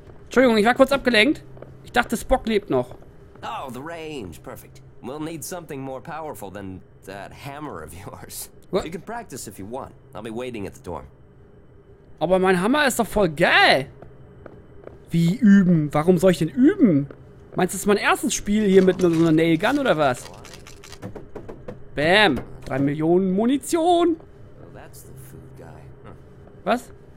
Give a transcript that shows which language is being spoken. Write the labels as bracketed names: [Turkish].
[German] Entschuldigung, ich war kurz abgelenkt. Ich dachte, Spock lebt noch. [English] Oh, the range, perfect. We'll need something more powerful than that hammer of yours. What? You can practice if you want. I'll be waiting at the door. [German] Aber mein Hammer ist doch voll geil. Wie üben? Warum soll ich denn üben? Meinst du, das ist mein erstes Spiel hier mit so einer Nailgun oder was? Bam. 3 Millionen Munition. [English] Well, that's the food guy. [German] Huh. Was?